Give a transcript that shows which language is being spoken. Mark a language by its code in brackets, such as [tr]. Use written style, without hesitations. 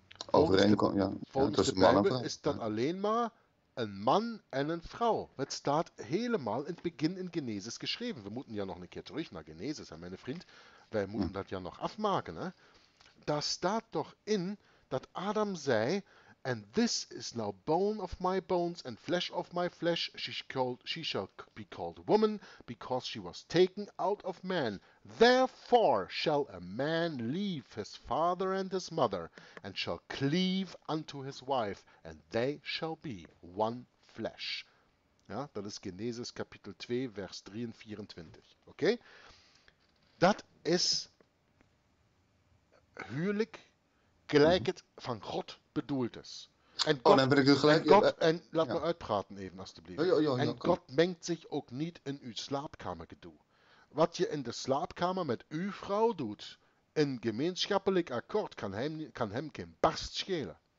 [nl] Volgens de Bijbel is dat alleen maar een man en een vrouw. Het staat helemaal in het begin in Genesis geschreven. We moeten ja nog een keer terug naar Genesis, hè, mijn vriend. Wij moeten dat ja nog afmaken. Hè. Daar staat toch in dat Adam zei, [en] And this is now bone of my bones and flesh of my flesh. She shall be called woman, because she was taken out of man. Therefore shall a man leave his father and his mother, and shall cleave unto his wife, and they shall be one flesh. [nl] Ja, dat is Genesis kapitel 2, vers 3 en 24. Oké? Okay? Dat is huwelijk gelijk het van God bedoeld is. En God, oh, dan ben ik u gelijk. En, God, en laat me uitpraten even, alstublieft. Ja, en God mengt zich ook niet in uw slaapkamergedoe. Wat je in de slaapkamer met uw vrouw doet, in gemeenschappelijk akkoord, kan hem geen barst schelen.